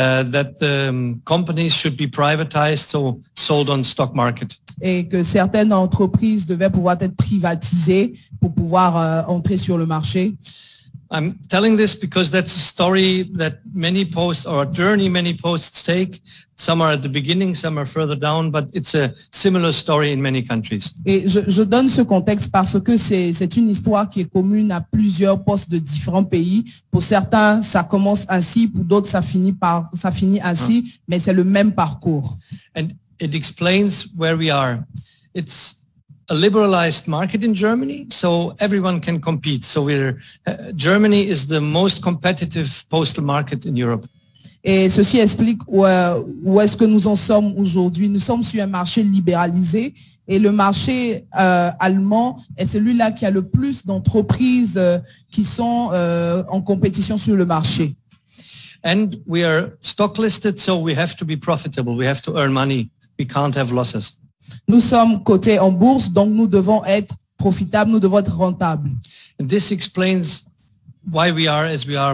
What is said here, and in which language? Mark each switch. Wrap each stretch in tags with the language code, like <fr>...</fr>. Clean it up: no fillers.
<en>That the companies should be privatized, so sold on stock market.</en> <fr>Et que certaines entreprises devaient pouvoir être privatisées pour pouvoir entrer sur le marché.</fr> <en>I'm telling this because that's a story that many posts or a journey many posts take. Some are at the beginning, some are further down, but it's a similar story in many countries.</en> <fr>Et je donne ce contexte parce que c'est une histoire qui est commune à plusieurs postes de différents pays. Pour certains, ça commence ainsi, pour d'autres, ça finit ainsi, mais c'est le même parcours.</fr> <en>And it explains where we are. It's a liberalized market in Germany, so everyone can compete. So Germany is the most competitive postal market in Europe.</en> <fr>Et ceci explique où est-ce que nous en sommes aujourd'hui. Nous sommes sur un marché libéralisé et le marché allemand est celui-là qui a le plus d'entreprises qui sont en compétition sur le marché.</fr> <en>And we are stock listed, so we have to be profitable. We have to earn money. We can't have losses.</en> <fr>Nous sommes cotés en bourse, donc nous devons être profitables, nous devons être rentables.</fr> <en>And this explains why we are as we are.</en>